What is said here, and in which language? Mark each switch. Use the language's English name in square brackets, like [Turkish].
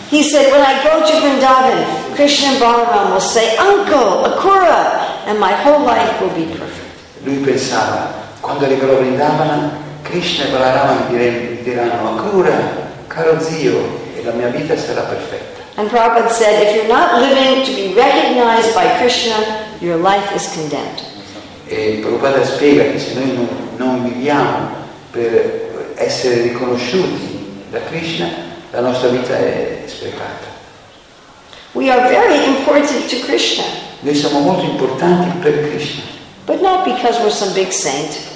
[English] He said, when I go to Vrindavan, Krishna and Balaram will say, Uncle, Akura, and my whole life will be perfect. [Italian] Lui pensava, quando arriverò a Vrindavan, Krishna e Balaram diranno, Akura, caro zio, e la mia vita sarà perfetta. [English] And Prabhupada said, if you're not living to be recognized by Krishna, your life is condemned. [Italian] E Prabhupada spiega che se noi non viviamo per essere riconosciuti da Krishna, la nostra vita è sprecata. [English] We are very important to Krishna. [Italian] Noi siamo molto importanti per Krishna. [English] But not because we're some big saint.